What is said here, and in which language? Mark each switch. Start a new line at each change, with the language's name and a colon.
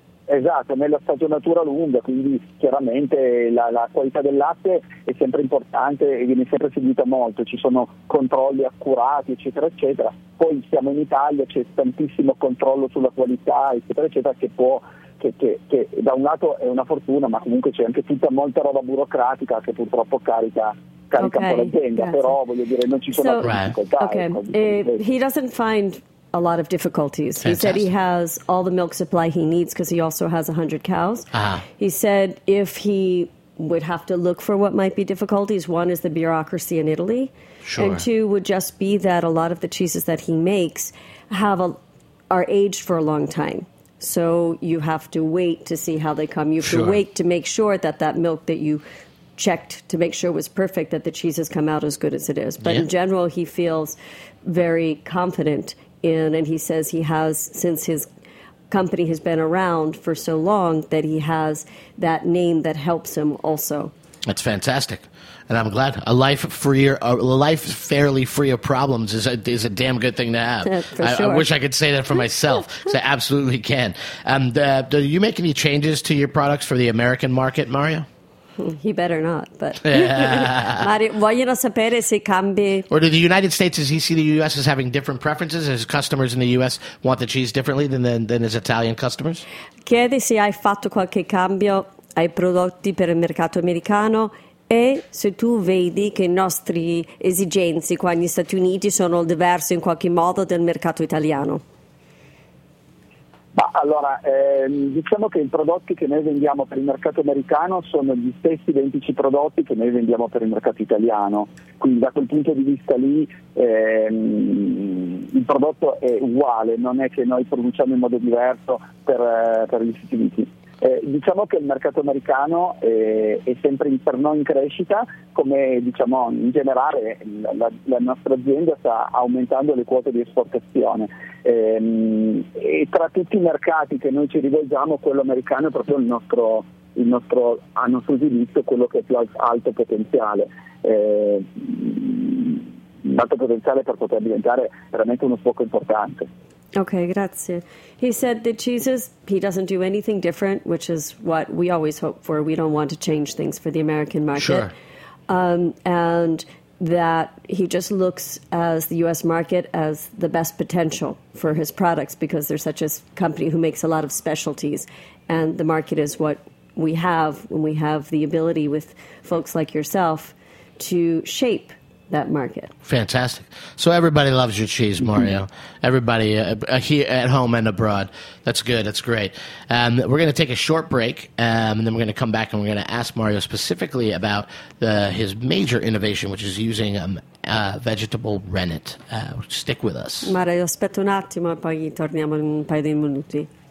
Italian: Esatto, nella stagionatura lunga, quindi chiaramente la qualità del latte è sempre importante e viene sempre seguita molto, ci sono controlli accurati eccetera eccetera, poi siamo in Italia, c'è tantissimo controllo sulla qualità eccetera eccetera che da un lato è una fortuna, ma comunque c'è anche tutta molta roba burocratica che purtroppo carica
English: okay,
Italian: un po' l'azienda, però voglio dire non ci sono difficoltà.
English: Okay. He doesn't find a lot of difficulties. Fantastic. He said he has all the milk supply he needs because he also has 100 cows. Uh-huh. He said if he would have to look for what might be difficulties, one is the bureaucracy in Italy, sure. And two would just be that a lot of the cheeses that he makes are aged for a long time. So you have to wait to see how they come. You have sure. to wait to make sure that milk that you checked to make sure was perfect, that the cheese has come out as good as it is. But yeah. In general, he feels very confident and he says he has, since his company has been around for so long, that he has that name that helps him also. That's fantastic. And I'm glad. A life fairly free of problems is a damn good thing to have. For sure. I wish I could say that for myself. So I absolutely can. Do you make any changes to your products for the American market, Mario? He better not, but...
Italian: Vogliono sapere se cambi...
English: Or do the United States, does he see the U.S. as having different preferences? His customers in the U.S. want the cheese differently than his Italian customers?
Italian: Chiede se hai fatto qualche cambio ai prodotti per il mercato americano e se tu vedi che i nostri esigenze qua negli Stati Uniti sono diverse in qualche modo del mercato italiano. Ma allora, diciamo che i prodotti che noi vendiamo per il mercato americano sono gli stessi identici prodotti che noi vendiamo per il mercato italiano, quindi da quel punto di vista lì il prodotto è uguale, non è che noi produciamo in modo diverso per gli Stati Uniti. Diciamo che il mercato americano è sempre per noi in crescita, come diciamo in generale la nostra azienda sta aumentando le quote di esportazione. E tra tutti i mercati che noi ci rivolgiamo, quello americano è proprio il nostro a nostro giudizio, quello che è più alto potenziale. Alto potenziale per poter diventare veramente uno sbocco importante. Okay, grazie.
English: He said the cheeses, he doesn't do anything different, which is what we always hope for. We don't want to change things for the American market. Sure. And that he just looks as the U.S. market as the best potential for his products because they're such a company who makes a lot of specialties, and the market is what we have when we have the ability with folks like yourself to shape that market. Fantastic. So everybody loves your cheese, Mario. Mm-hmm. Everybody here at home and abroad. That's good. That's great. We're going to take a short break, and then we're going to come back, and we're going to ask Mario specifically about his major innovation, which is using vegetable rennet. Stick with us.
Italian: Mario, aspetta un attimo, poi torniamo in un paio di minuti.